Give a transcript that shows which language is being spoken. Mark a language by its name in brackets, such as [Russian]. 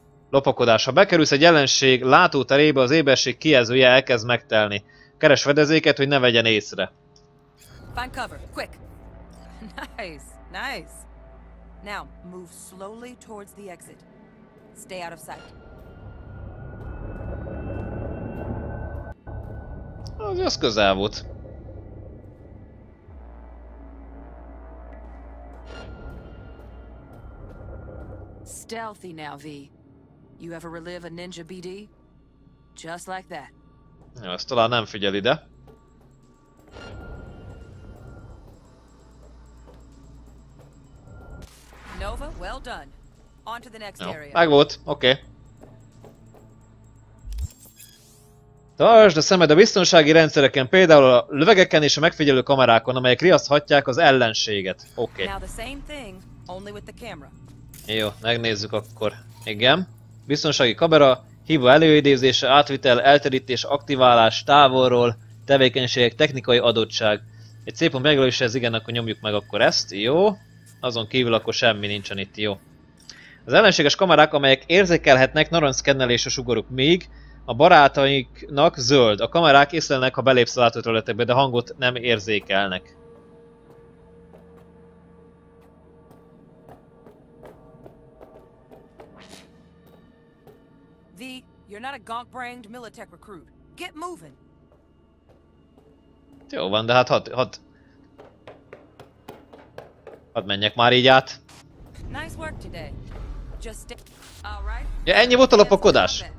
[Hungarian] Lopakodás. Ha bekerülsz egy ellenség látóterébe, az éberség kijelzője elkezd megtelni. Keres fedezéket, hogy ne vegyen észre. [English] Find cover, quick. Nice, nice. Now, move slowly towards the exit. Stay out of sight. [Hungarian] Az jó, közel volt. [English] Stealthy now, V. You ever relive a ninja BD? Just like that. [Hungarian] Jó, ezt talán nem figyel ide. [English] Nova, well done. On to the next [Hungarian] jó, [English] area. [Hungarian] Meg volt, oké. Tartsd a szemed a biztonsági rendszereken, például a lövegeken és a megfigyelő kamerákon, amelyek riaszthatják az ellenséget. Oké. [English] Now the same thing, only with the camera. [Hungarian] Jó, megnézzük akkor. Igen. Biztonsági kamera, hiba előidézése, átvitel, elterítés, aktiválás, távolról, tevékenységek, technikai adottság. Egy szép pont megjelölése, ez igen, akkor nyomjuk meg akkor ezt. Jó. Azon kívül akkor semmi nincsen itt. Jó. Az ellenséges kamerák, amelyek érzékelhetnek narancskennelés a sugaruk, még a barátainknak zöld. A kamerák észlelnek, ha belépsz a látóterületekbe, de hangot nem érzékelnek. [English] You're not a gonk-brained Militech recruit. Get moving. [Hungarian] Jó van, de hát hadd menjek már így át. [English] Nice work today. Just stay. All right. [Hungarian] Ja, ennyi volt a lopakodás.